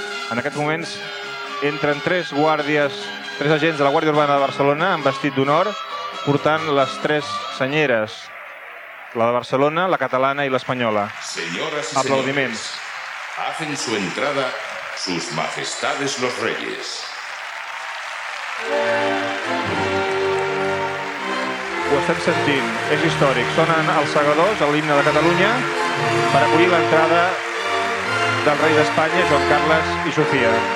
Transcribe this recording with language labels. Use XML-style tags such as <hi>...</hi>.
<ca>En aquests moments entren tres guàrdies, tres agents de la Guàrdia Urbana de Barcelona amb vestit d'honor, portant les tres senyeres, la de Barcelona, la catalana i l'espanyola.</ca> <es>Señoras y señores, hacen su entrada sus majestades los reyes.</es> <ca>Ho estem sentint, és històric. Sonen els segadors, l'himne de Catalunya, per acollir l'entrada del rei d'Espanya, Joan Carles i Sofia.</ca>